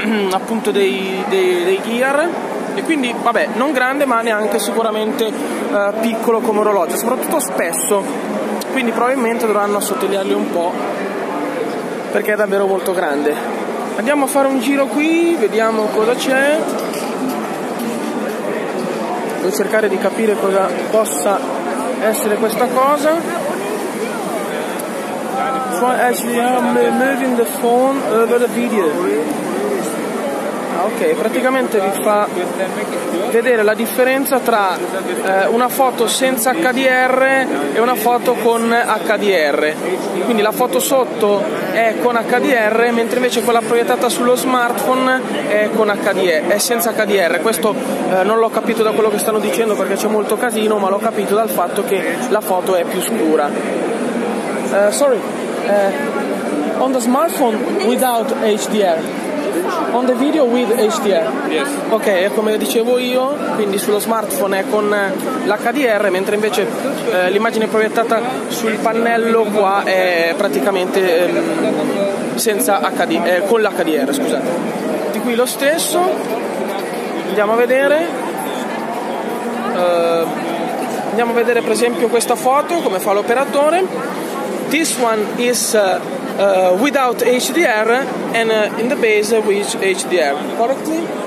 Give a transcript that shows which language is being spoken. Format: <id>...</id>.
<it>appunto dei gear, e quindi vabbè, non grande ma neanche sicuramente piccolo come orologio, soprattutto spesso, quindi probabilmente dovranno assottigliarli un po' perché è davvero molto grande. Andiamo a fare un giro qui, vediamo cosa c'è, devo cercare di capire cosa possa essere questa cosa.</it> <en>As we are moving the phone over the video.</en> <it>Ah, ok, praticamente vi fa vedere la differenza tra una foto senza HDR e una foto con HDR. Quindi la foto sotto è con HDR, mentre invece quella proiettata sullo smartphone è con HDR, è senza HDR. Questo non l'ho capito da quello che stanno dicendo perché c'è molto casino, ma l'ho capito dal fatto che la foto è più scura.</it> <en>On the smartphone without HDR. On the video with HDR. Yes.</en> <it>Ok, come dicevo io, quindi sullo smartphone è con l'HDR, mentre invece l'immagine proiettata sul pannello qua è praticamente senza HD, con l'HDR, scusate. Di qui lo stesso. Andiamo a vedere. Andiamo a vedere per esempio questa foto, come fa l'operatore.</it> <en>This one is without HDR and in the base with HDR, correctly?</en>